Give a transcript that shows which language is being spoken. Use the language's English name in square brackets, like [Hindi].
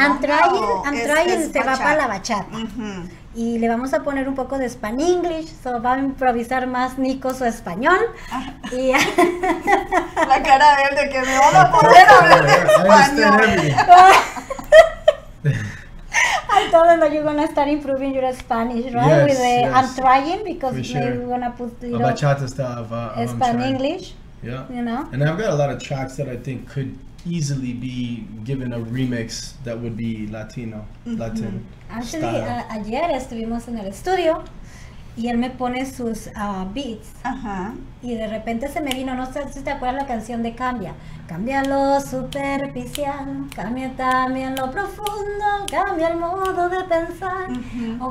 [Spanish] Antrayen se va para la bachata. Uh-huh. Y le vamos a poner un poco de Span English, so va a improvisar más Niko su español. Ah. Y la cara de él de que me van a poner a hablar en español. [English] I told them that you're going to start improving your Spanish, right? Yes, with the, yes. I'm trying, because for maybe sure. We're going to put, you know, a bachata style of Spanish-English. Yeah. You know? And I've got a lot of tracks that I think could easily be given a remix that would be Latino, Latin Actually, style. [Spanish] Actually, ayer estuvimos en el estudio, y él me pone sus beats. Ajá. Uh-huh. Y de repente se me vino, no sé si te acuerdas la canción de Cambia. Cambia lo superficial, cambia también lo profundo, cambia el modo de pensar. Uh-huh.